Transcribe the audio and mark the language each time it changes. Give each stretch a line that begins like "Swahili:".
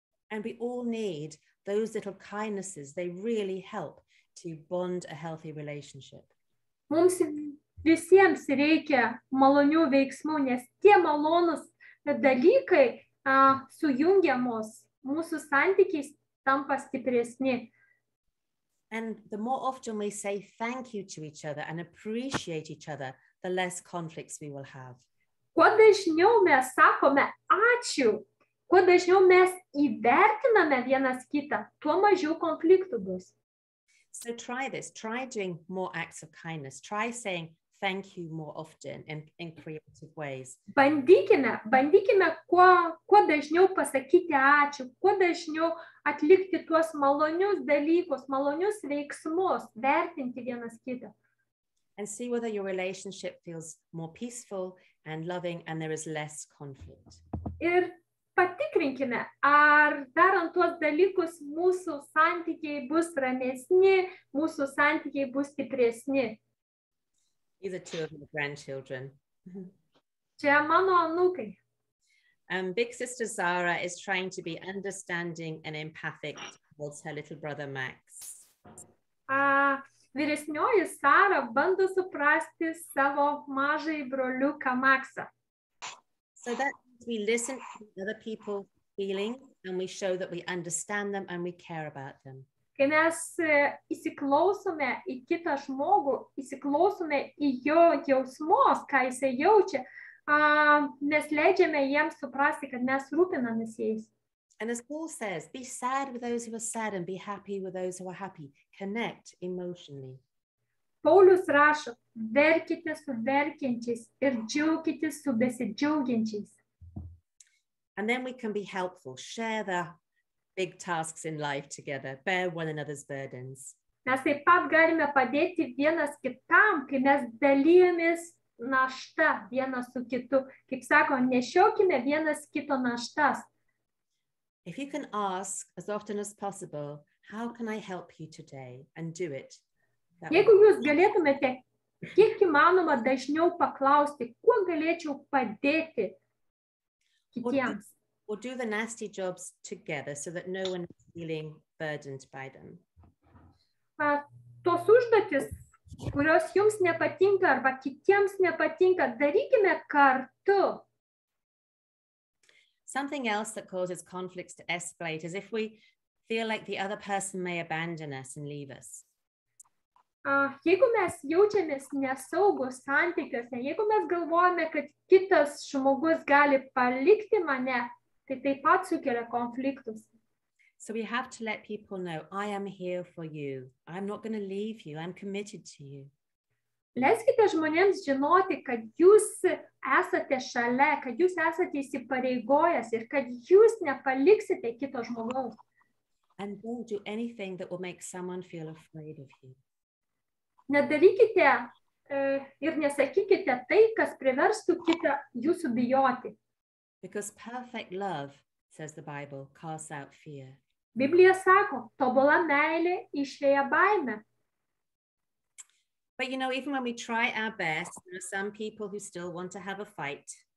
English: And we all need those little kindnesses. They really help to bond a healthy relationship.
Lithuanian: Mums visiems reikia malonių veiksmų, nes tie malonus dalykai sujungiamos mūsų santykiais tampa stipresni.
English: And the more often we say thank you to each other and appreciate each other, the less conflicts we will have.
Lithuanian: Kuo dažniau mes sakome ačiū, kuo dažniau mes įvertiname vienas kitą, tuo mažiau konfliktų bus.
English: So try this. Try doing more acts of kindness. Try saying thank you more often in creative ways.
Lithuanian: Bandykime kuo dažniau pasakyti ačiū, kuo dažniau atlikti tuos malonius dalykus, malonius veiksmus, vertinti vienas kitą.
English: And see whether your relationship feels more peaceful and loving and there is less conflict.
Lithuanian: Ir patikrinkime, ar darant tuos dalykus mūsų santykiai bus ramesni, mūsų santykiai bus stipresni.
English: These are two of my grandchildren.
Lithuanian: Čia mano anūkai.
English: Big sister Zara is trying to be understanding and empathic towards her little brother Max.
Lithuanian: Vyresnioji Sara bando suprasti savo mažąjį broliuką Maxą.
English: So that we listen to other people's feelings and we show that we understand them and we care about them.
Lithuanian: Kai mes įsiklausome į kitą žmogų, įsiklausome į jo jausmus, ką jis jaučia, mes leidžiame jiems suprasti, kad mes rūpinamės jais.
English: And as Paul says, be sad with those who are sad and be happy with those who are happy. Connect emotionally.
Lithuanian: Paulius rašo, verkite su verkiančiais ir džiaukitės su besidžiaugiančiais.
English: And then we can be helpful, share the big tasks in life together, bear one another's burdens.
Lithuanian: Mes taip pat galime padėti vienas kitam, kai mes dalijamės našta vienas su kitu. Kaip sako, nešiokime vienas kito naštas.
English: If you can ask as often as possible, how can I help you today and do it?
Lithuanian: Jeigu jūs galėtumėte kiek įmanoma dažniau paklausti, kuo galėčiau padėti kitiems.
English: Or do the nasty jobs together so that no one is feeling burdened by them.
Lithuanian: Tos užduotis, kurios jums nepatinka arba kitiems nepatinka, darykime kartu.
English: Something else that causes conflicts to escalate is if we feel like the other person may abandon us and leave us.
Lithuanian: Jeigu mes jaučiamės nesaugus santykiuose, jeigu mes galvojame, kad kitas žmogus gali palikti mane, tai taip pat sukelia konfliktus.
English: So we have to let people know, I am here for you. I'm not going to leave you. I'm committed to you.
Lithuanian: Leiskite žmonėms žinoti, kad jūs esate šalia, kad jūs esate įsipareigojęs ir kad jūs nepaliksite kito žmogaus.
English: And don't do anything that will make someone feel afraid of you.
Lithuanian: Nedarykite ir nesakykite tai, kas priverstų kitą jūsų bijoti.
English: Because perfect love, says the Bible, casts out fear.
Lithuanian: Biblija sako, tobula meilė išveja baimę.
English: But you know, even when we try our best, there are some people who still want to have a fight.